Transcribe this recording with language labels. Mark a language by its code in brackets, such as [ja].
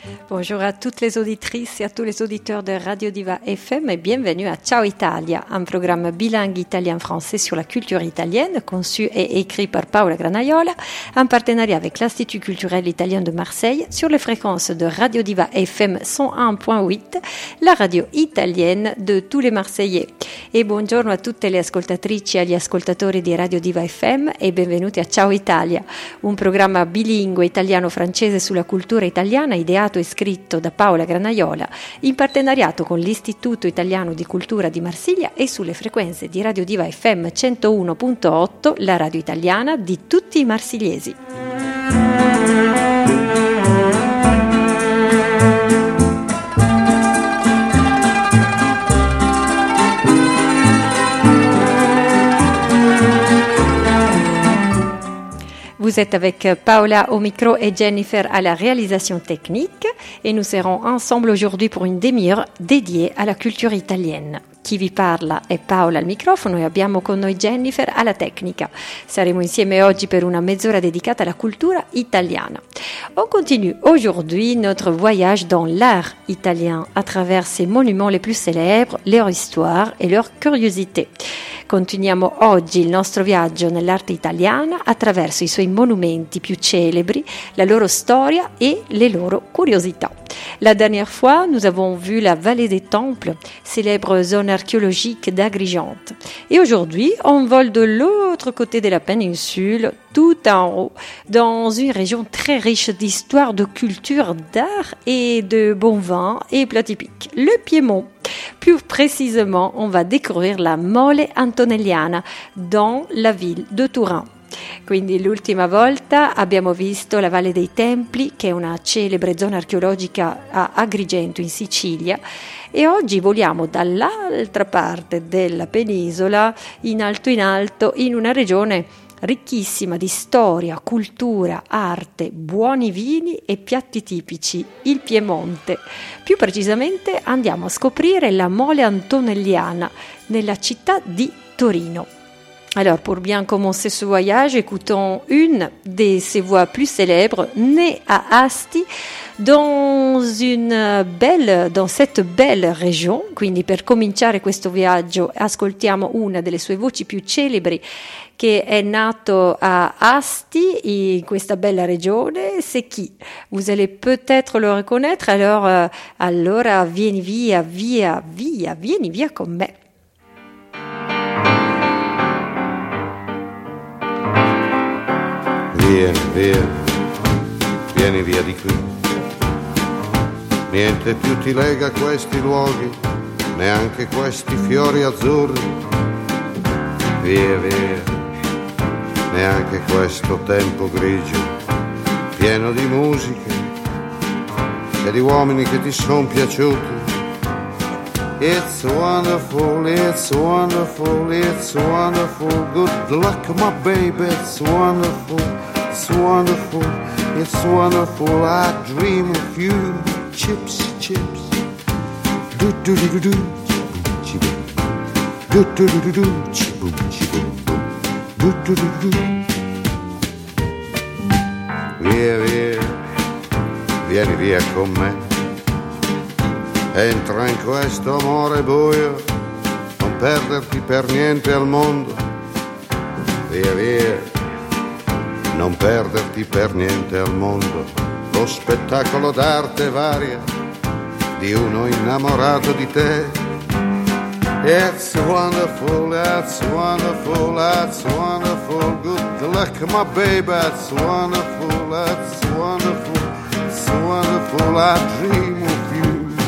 [fr] Bonjour à toutes les auditrices et à tous les auditeurs de Radio Diva FM et bienvenue à Ciao Italia, un programme bilingue italien-français sur la culture italienne conçu et écrit par Paola Granaiola en partenariat avec l'Institut culturel italien de Marseille sur les fréquences de Radio Diva FM 101.8, la radio italienne de tous les Marseillais. Et bonjour à toutes les [it] ascoltatrici et agli ascoltatori di Radio Diva FM e benvenuti a Ciao Italia, un programma bilingue italiano-francese sulla cultura italiana ideato e scritto da Paola Granaiola in partenariato con l'Istituto Italiano di Cultura di Marsiglia e sulle frequenze di Radio Diva FM 101.8, la radio italiana di tutti i marsigliesi. [fr] Vous êtes avec Paola au micro et Jennifer à la réalisation technique et nous serons ensemble aujourd'hui pour une demi-heure dédiée à la culture italienne. [it] Chi vi parla è Paola al microfono e abbiamo con noi Jennifer alla tecnica. Saremo insieme oggi per una mezz'ora dedicata alla cultura italiana. [fr] On continue aujourd'hui notre voyage dans l'art italien à travers ses monuments les plus célèbres, leur histoire et leur curiosité. [it] Continuiamo oggi il nostro viaggio nell'arte italiana attraverso i suoi monumenti più celebri, la loro storia e le loro curiosità. [fr] La dernière fois, nous avons vu la Vallée des Temples, célèbre zone archéologique d'Agrigente. Et aujourd'hui, on vole de l'autre côté de la péninsule, tout en haut, dans une région très riche d'histoire, de culture, d'art et de bon vin et plats typiques, le Piémont. Plus précisément, on va découvrir la Mole Antonelliana dans la ville de Turin. [it] Quindi l'ultima volta abbiamo visto la Valle dei Templi, che è una celebre zona archeologica a Agrigento in Sicilia, e oggi voliamo dall'altra parte della penisola, in alto, in una regione ricchissima di storia, cultura, arte, buoni vini e piatti tipici, il Piemonte. Più precisamente andiamo a scoprire la Mole Antonelliana nella città di Torino. [fr] Alors, pour bien commencer ce voyage, écoutons une de ses voix plus célèbres, née à Asti, dans cette belle région. [it] Quindi, per cominciare questo viaggio, ascoltiamo una delle sue voci più celebri, che è nato a Asti, in questa bella regione. [fr] C'est qui? Vous allez peut-être le reconnaître, [it] allora vieni via, via, via, vieni via con me. Vieni via, vieni via di qui. Niente più ti lega a questi luoghi, neanche questi fiori azzurri. Via via, neanche questo tempo grigio, pieno di musiche e di uomini che ti sono piaciuti. [en] It's wonderful, it's wonderful, it's wonderful. Good luck, my baby, it's wonderful. It's wonderful, it's wonderful. I dream of you, chips, chips. Do do do do do, chibum chibum. Do do do do do, chibum chibum. Do do do do. [it] Via via, vieni via con me. Entra in questo amore buio, non perderti per niente al mondo. Via via. Non perderti per niente al mondo lo spettacolo d'arte varia di uno innamorato di te. [en] It's wonderful, that's wonderful, that's wonderful. Good luck, my baby, it's wonderful, that's wonderful. It's wonderful, I dream of you.